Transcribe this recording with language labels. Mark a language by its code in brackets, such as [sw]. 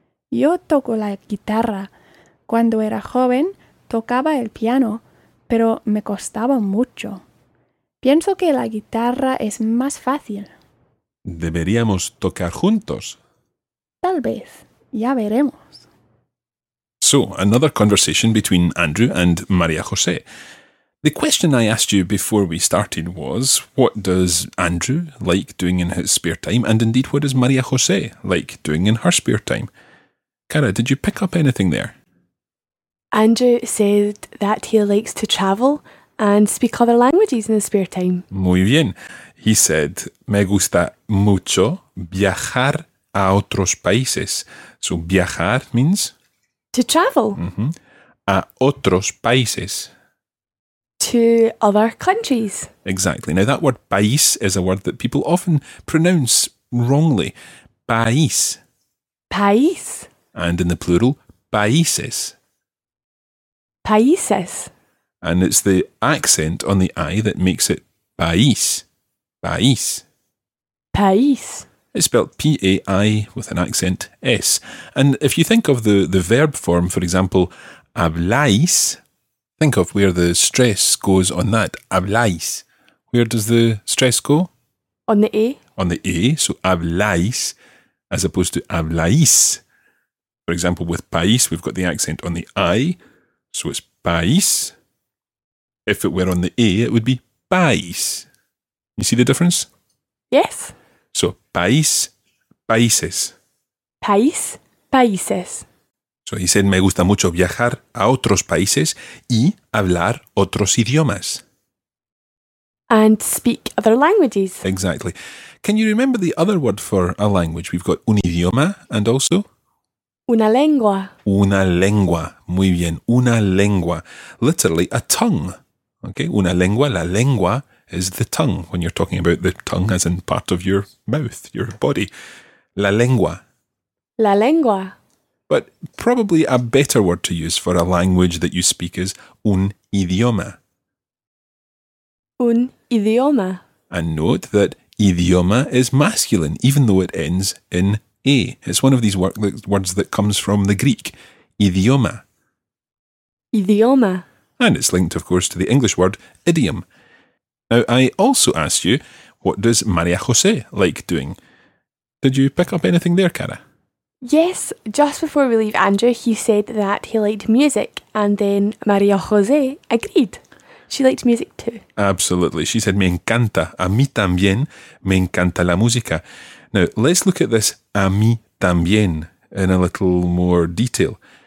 [es] Yo toco la guitarra. Cuando era joven, tocaba el piano, pero me costaba mucho. Pienso que la guitarra es más fácil. ¿Deberíamos tocar juntos? Tal vez. Ya veremos. [en] So, another conversation between Andrew and María José. The question I asked you before we started was, what does Andrew like doing in his spare time? And indeed, what does María José like doing in her spare time? Cara, did you pick up anything there? Andrew said that he likes to travel and speak other languages in his spare time. [es] Muy bien. [en] He said, [es] me gusta mucho viajar a otros países. [en] So, viajar means? To travel. [es] Mm-hmm. A otros países. [en] to other countries. Exactly. Now, that word país is a word that people often pronounce wrongly. [es] País. País. [en] And in the plural, países. [es] Países. [en] And it's the accent on the I that makes it país. [es] País. País. [en] It's spelled P-A-I with an accent S. And if you think of the verb form, for example, habláis, think of where the stress goes on that. Habláis. Where does the stress go? On the A. On the A. So habláis as opposed to habláis. For example, with país, we've got the accent on the I. So it's país. If it were on the A, it would be país. You see the difference? Yes. [es] So, país, países. País, países. [en] So, he said, [es] me gusta mucho viajar a otros países y hablar otros idiomas. [en] And speak other languages. Exactly. Can you remember the other word for a language? We've got un idioma and also... [es] una lengua. Una lengua. Muy bien. Una lengua. [en] Literally, a tongue. Okay, [es] una lengua, la lengua [en] is the tongue, when you're talking about the tongue as in part of your mouth, your body. [es] La lengua. La lengua. [en] But probably a better word to use for a language that you speak is un idioma. [es] Un idioma. [en] And note that idioma is masculine, even though it ends in A. It's one of these words that comes from the Greek. [es] Idioma. Idioma. [en] And it's linked, of course, to the English word idiom. Now, I also asked you, what does María José like doing? Did you pick up anything there, Cara? Yes, just before we leave Andrew, he said that he liked music, and then María José agreed. She liked music too. Absolutely. She said, [es] me encanta, a mí también, me encanta la música. [en] Now, let's look at this a mí también in a little more detail.